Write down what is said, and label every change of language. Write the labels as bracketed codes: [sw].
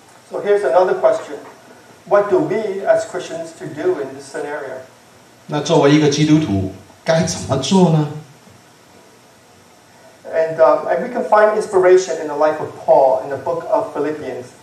[en] So here's another question: What do we as Christians to do in this scenario? [zh] 那作为一个基督徒，该怎么做呢？ [en] And we can find inspiration in the life of Paul in the book of Philippians.